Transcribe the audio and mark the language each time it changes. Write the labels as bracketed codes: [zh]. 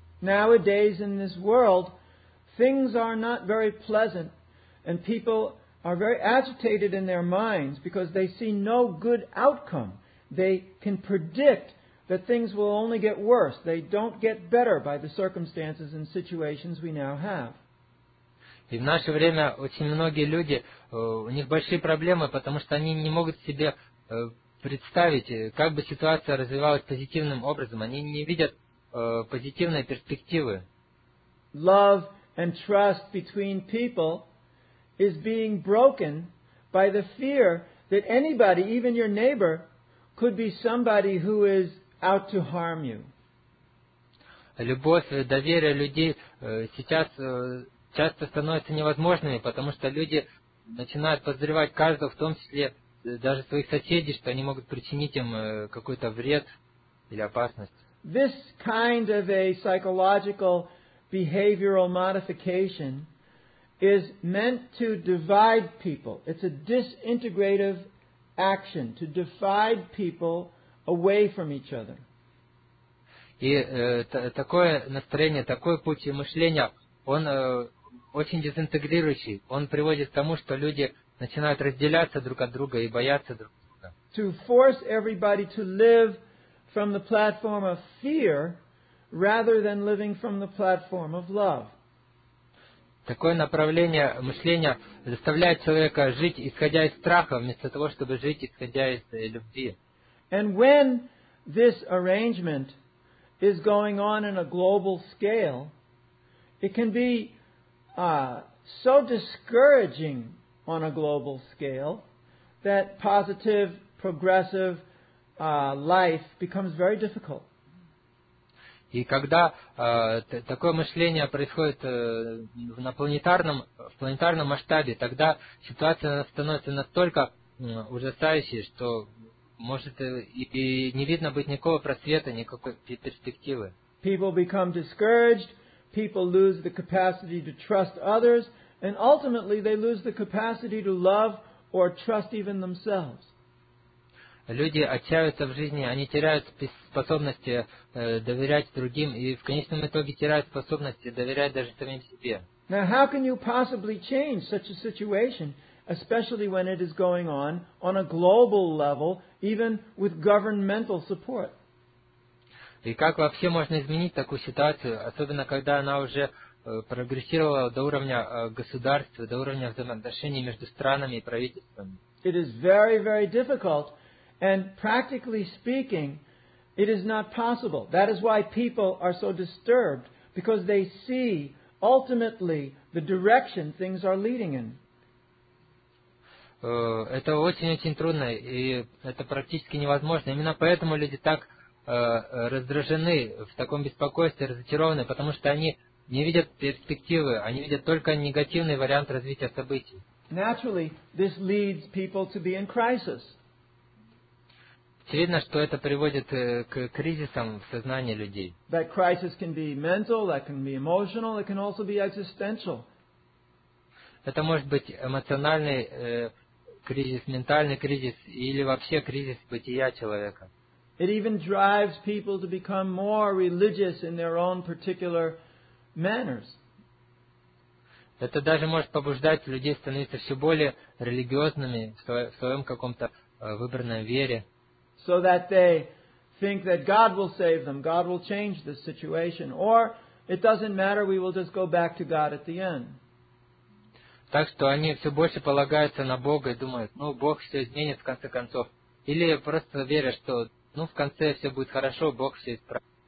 [en] Nowadays in this world, things are not very pleasant, and people are very agitated in their minds because they see no good outcome. They can predict that things will only get worse. They don't get better by the circumstances and situations we now have. [ru] И в наше время очень многие люди, у них большие проблемы, потому что они не могут себе представить, как бы ситуация развивалась позитивным образом. Они не видят позитивной перспективы. [en] Love and trust between people is being broken by the fear that anybody, even your neighbor, could be somebody who is out to harm you. [ru] Любовь, доверие людей сейчас часто становятся невозможными, потому что люди начинают подозревать каждого, в том числе даже своих соседей, что они могут причинить им какой-то вред или опасность. [en] This kind of a psychological behavioral modification is meant to divide people. It's a disintegrative action to divide people away from each other. [ru] И такое настроение, такой путь мышления, он очень дезинтегрирующий. Он приводит к тому, что люди начинают разделяться друг от друга и бояться друг друга. [en] To force everybody to live from the platform of fear rather than living from the platform of love. [ru] Такое направление мышления заставляет человека жить, исходя из страха, вместо того, чтобы жить, исходя из любви. [en] And when this arrangement is going on in a global scale, it can be so discouraging on a global scale that positive, progressive life becomes very difficult. [ru] И когда такое мышление происходит в планетарном масштабе, тогда ситуация становится настолько ужасающей, что может и не видно быть никакого просвета, никакой перспективы. [en] People become discouraged, people lose the capacity to trust others, and ultimately they lose the capacity to love or trust even themselves. [ru] Люди отчаиваются в жизни, они теряют способность доверять другим и в конечном итоге теряют способность доверять даже самим себе. [en] Now, how can you possibly change such a situation, especially when it is going on a global level, even with governmental support? [ru] И как вообще можно изменить такую ситуацию, особенно когда она уже прогрессировала до уровня государства, до уровня взаимоотношений между странами и правительствами? [en] It is very, very difficult. And practically speaking, it is not possible. That is why people are so disturbed, because they see ultimately the direction things are leading in. [ru] Это очень-очень трудно, и это практически невозможно. Именно поэтому люди так раздражены, в таком беспокойстве, разочарованы, потому что они не видят перспективы, они видят только негативный вариант развития событий. [en] Naturally, this leads people to be in crisis. [ru] Очевидно, что это приводит к кризисам в сознании людей. [en] That crisis can be mental, that can be emotional, it can also be existential. [ru] Это может быть эмоциональный кризис, ментальный кризис или вообще кризис бытия человека. [en] It even drives people to become more religious in their own particular manners. [ru] Это даже может побуждать людей становиться все более религиозными в своем каком-то выбранном вере. [en] So that they think that God will save them, God will change this situation, or it doesn't matter, we will just go back to God at the end. [ru] Так что они все больше полагаются на Бога и думают, ну, Бог все изменит в конце концов. Или просто верят, что, ну, в конце все будет хорошо, Бог все исправит.